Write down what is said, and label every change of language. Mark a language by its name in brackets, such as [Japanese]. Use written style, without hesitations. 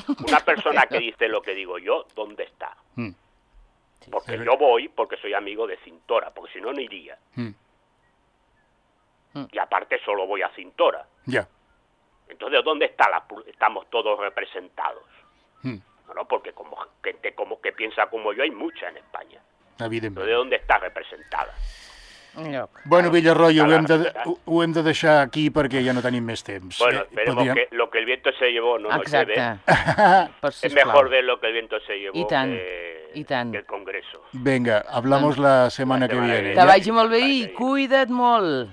[Spanish] Una persona que dice lo que digo yo, ¿dónde está? Porque yo voy porque soy amigo de Cintora, porque si no, no iría. Y aparte solo voy a Cintora. Ya. Entonces, ¿dónde está estamos todos representados? Bueno, porque como gente como que piensa como yo, hay mucha en España. Entonces, ¿dónde está representada? [Catalan] Bueno, Villarroyo, ho hem de deixar aquí perquè ja no tenim més temps. [Spanish] Bueno, esperemos podríem... que lo que el viento se llevó no [Catalan] exacte. [Spanish] Lo lleve. [Catalan] Exacte. [Spanish] Es mejor ver lo que el viento se llevó [Catalan] I tant. I tant. [Spanish] Que el Congreso. Venga, hablamos la setmana que viene. [Catalan] Que vagi molt bé i cuida't molt.